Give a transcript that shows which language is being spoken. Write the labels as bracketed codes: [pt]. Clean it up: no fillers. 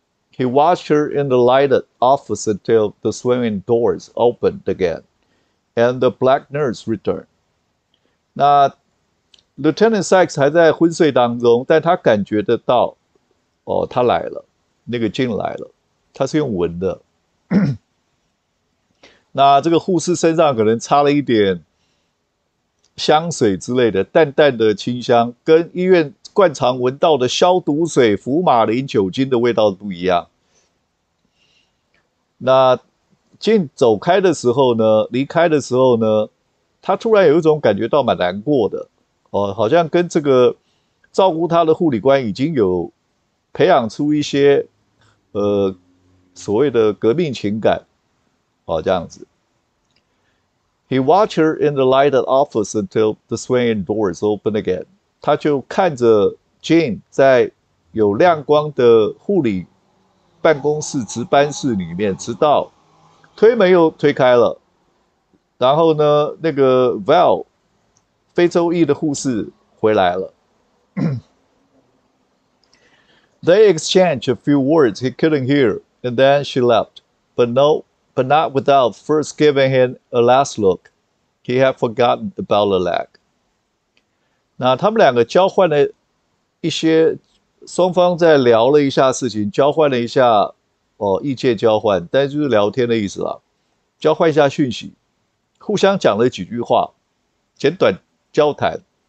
[en] He watched her in the lighted office until the swinging doors opened again, and the black nurse returned. [zh] 那 Lieutenant Sykes 还在昏睡当中，但他感觉得到，哦，他来了，那个进来了，他是用闻的 那这个护士身上可能擦了一点香水之类的，淡淡的清香，跟医院惯常闻到的消毒水、福马林酒精的味道不一样。那进走开的时候呢，离开的时候呢，他突然有一种感觉到蛮难过的，哦，好像跟这个照顾他的护理官已经有培养出一些所谓的革命情感，哦，这样子。 [en] He watched her in the lighted office until the swinging doors opened again。 [zh] 他就看着 Jane 在有亮光的护理。办公室值班室里面，直到推门又推开了，然后呢，那个 Val 非洲裔的护士回来了。 [en] They exchanged a few words he couldn't hear, and then she left. But not without first giving him a last look. He had forgotten about the lag. [zh] 那他们两个交换了一些，双方在聊了一下事情，交换了一下。哦，意见交换，但就是聊天的意思啦，交换一下讯息，互相讲了几句话，简短交谈。